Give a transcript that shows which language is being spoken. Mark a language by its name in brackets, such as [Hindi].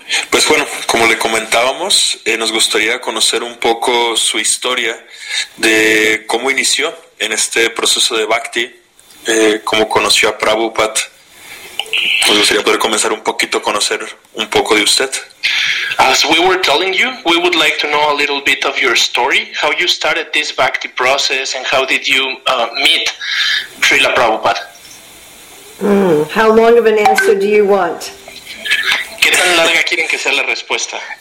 [Spanish] Pues bueno, como le comentábamos, nos gustaría conocer un poco su historia de cómo inició en este proceso de Bhakti, cómo conoció a Prabhupada. Nos gustaría poder comenzar un poquito a conocer un poco de usted. [English] As we were telling you, we would like to know a little bit of your story, how you started this Bhakti process and how did you meet Srila Prabhupada. How long of an answer do you want? [Spanish] ¿Qué tan larga quieren que sea la respuesta?